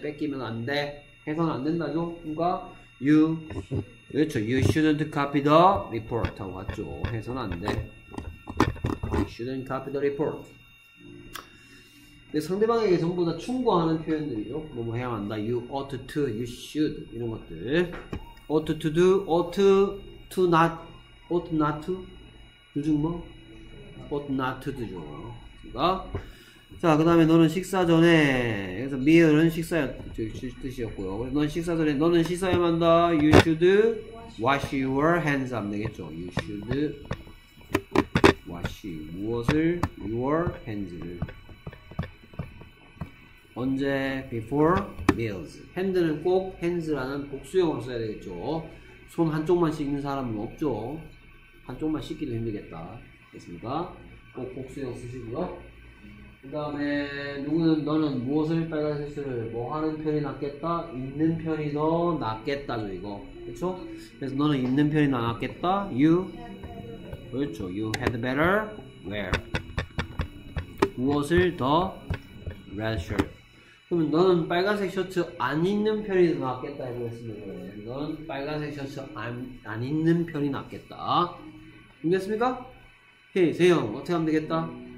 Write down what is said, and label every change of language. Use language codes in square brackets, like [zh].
[ko] 뺏기면 안 돼. 해서는 안 된다죠. 그러니까 You 그렇죠. [en] You shouldn't copy the report [ko] 하고 왔죠. 해서는 안 돼. [en] You shouldn't copy the report. [ko] 상대방에게 전부 다 충고하는 표현들이죠. 뭐뭐 해야 한다. [en] You ought to, you should [ko] 이런 것들. [en] Ought to do, ought to not, ought not to. [ko] 둘 중 뭐? [en] Ought not to do죠. [ko] 그러니까 자, 그 다음에 너는 식사 전에 여기서 meal은 식사였 뜻이었고요. 너는 식사 전에 너는 씻어야 한다. [en] You should wash your hands [ko] 하면 되겠죠. [en] You should wash 무엇을 your hands를 언제? Before meals. [ko] 핸드는 꼭 hands라는 복수형으로 써야 되겠죠. 손 한쪽만 씻는 사람은 없죠. 한쪽만 씻기도 힘들겠다. 됐습니까? 꼭 복수형 쓰시고요. 그 다음에 누구는 너는 무엇을 빨간 색을 뭐 하는 편이 낫겠다? 입는 편이 더 낫겠다죠 이거. 그렇죠? 그래서 너는 입는 편이 더 낫겠다? You 그렇죠. [en] You had better wear [ko] 무엇을 더 [en] red shirt. [ko] 그러면 너는 빨간색 셔츠 안 입는 편이 더 낫겠다 이거 했습니다. 너는 빨간색 셔츠 안 입는 편이 낫겠다. 준비했습니까? 오케이, 세영 어떻게 하면 되겠다?